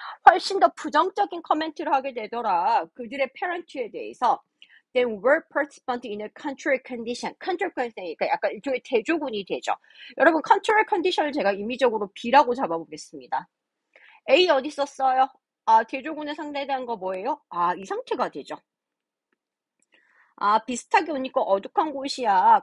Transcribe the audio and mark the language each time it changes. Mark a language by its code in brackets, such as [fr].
[ko] 훨씬 더 부정적인 코멘트를 하게 되더라. 그들의 parent에 대해서. [en] They were participants in a control condition. [ko] Control condition, 그러니까 약간 일종의 대조군이 되죠. 여러분, control condition을 제가 임의적으로 B라고 잡아보겠습니다. A 어디 있었어요? 아, 대조군에 상대한 거 뭐예요? 아, 이 상태가 되죠. 아, 비슷하게 오니까 어둑한 곳이야.